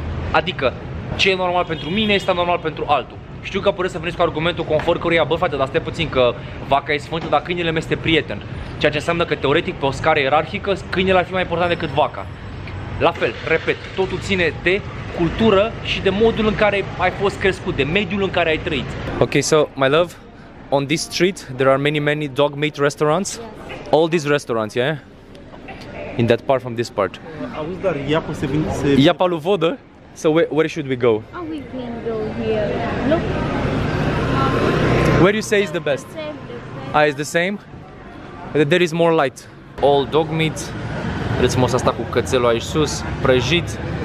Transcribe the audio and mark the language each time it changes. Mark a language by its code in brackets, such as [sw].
[ro] Adică, ce e normal pentru mine este normal pentru altul. Știu că puteți să veniți cu argumentul conform căruia, bă, frate, dar stai puțin că vaca e sfântă, dar câinele este prieten. Ceea ce înseamnă că, teoretic, pe o scară ierarhică, câinele ar fi mai important decât vaca. La fel, repet, totul ține de cultură și de modul în care ai fost crescut, de mediul în care ai trăit. [en] Ok, so, my love, on this street there are many dog meat restaurants. Yes. All these restaurants, yeah? In that part from this part. [ro] Auzi, dar iapa se vinde, se... Iapa lui Vodă? [en] So, where should we go? Oh, we can go here. Look. Where you say is the best? The same. Ah, it's the same? There is more light. All dog meat. [ro] Vedeți frumos asta cu cățelul aici sus, prăjit.